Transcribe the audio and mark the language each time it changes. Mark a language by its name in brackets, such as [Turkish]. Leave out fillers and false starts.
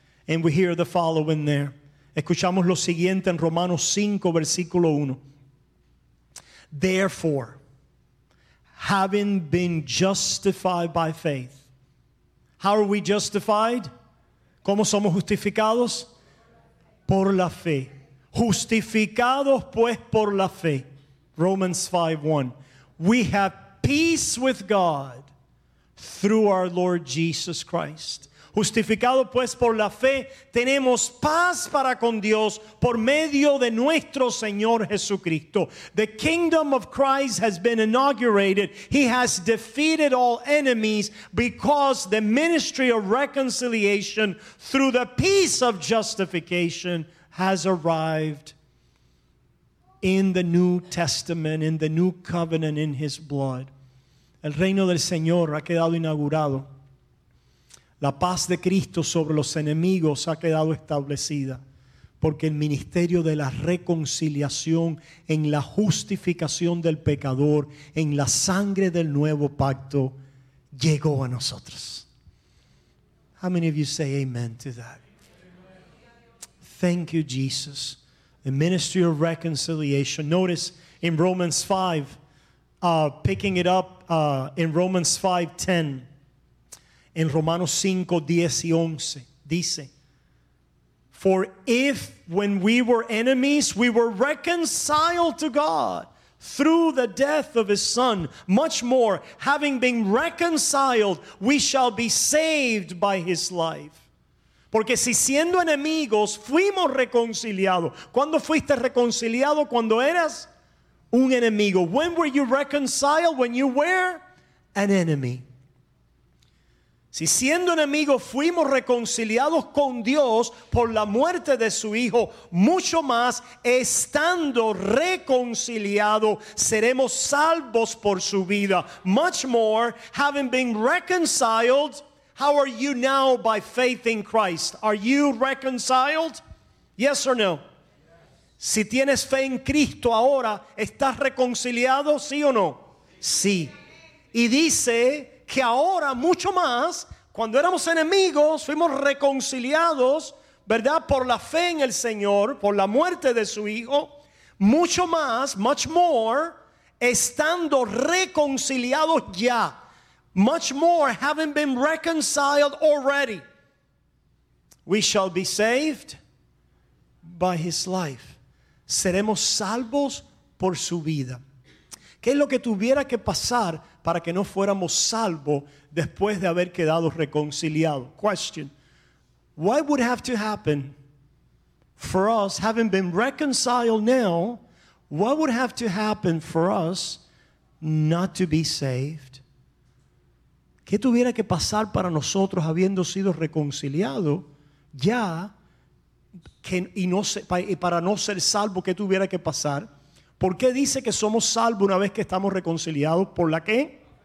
[English] And we hear the following there. [Spanish] Escuchamos lo siguiente en Romanos 5, versículo 1. [English] Therefore, having been justified by faith. How are we justified? [Spanish] ¿Cómo somos justificados? Por la fe. Justificados pues por la fe. [English] Romans 5, 1. We have peace with God through our Lord Jesus Christ. [Spanish] Justificado pues por la fe, tenemos paz para con Dios por medio de nuestro Señor Jesucristo. [English] The kingdom of Christ has been inaugurated. He has defeated all enemies because the ministry of reconciliation through the peace of justification has arrived in the New Testament, in the New Covenant, in His blood. [Spanish] El reino del Señor ha quedado inaugurado. La paz de Cristo sobre los enemigos ha quedado establecida porque el ministerio de la reconciliación en la justificación del pecador en la sangre del nuevo pacto llegó a nosotros. [English] How many of you say amen to that? Thank you, Jesus. The ministry of reconciliation. Notice in Romans 5, picking it up in Romans 5:10. [Spanish] En Romanos 5, 10 y 11, dice, [English] for if when we were enemies, we were reconciled to God through the death of his son, much more, having been reconciled, we shall be saved by his life. [Spanish] Porque si siendo enemigos, fuimos reconciliados. ¿Cuándo fuiste reconciliado? Cuando eras un enemigo. [English] When were you reconciled? When you were an enemy. [Spanish] Si siendo enemigos fuimos reconciliados con Dios por la muerte de su Hijo, mucho más estando reconciliados seremos salvos por su vida. [English] Much more, having been reconciled, how are you now by faith in Christ? Are you reconciled? Yes or no? Yes. [Spanish] Si tienes fe en Cristo ahora, ¿estás reconciliado? ¿Sí o no? Sí. Y dice que ahora mucho más, cuando éramos enemigos, fuimos reconciliados, ¿verdad? Por la fe en el Señor, por la muerte de su Hijo, mucho más, [English] much more, [Spanish] estando reconciliados ya, [English] much more, having been reconciled already, we shall be saved by his life. [Spanish] Seremos salvos por su vida. ¿Qué es lo que tuviera que pasar para que no fuéramos salvos después de haber quedado reconciliados? [English] Question. What would have to happen for us, having been reconciled now, what would have to happen for us not to be saved? [Spanish] ¿Qué tuviera que pasar para nosotros habiendo sido reconciliados ya que, y, no, y para no ser salvos, qué tuviera que pasar? ¿Por qué dice que somos salvos una vez que estamos reconciliados? ¿Por la qué?